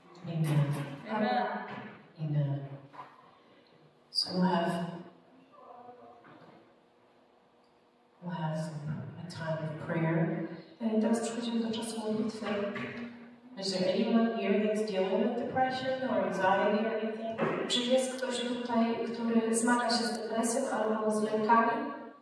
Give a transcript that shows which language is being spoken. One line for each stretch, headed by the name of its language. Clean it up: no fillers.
English: Amen. Amen. Amen. So we'll have a time of prayer.
Polish: And teraz przechodzimy do czasu modlitwy.
English: Is there anyone here that's dealing with depression or anxiety or anything?
Polish: Czy jest ktoś tutaj, który zmaga się z depresją albo z lękami?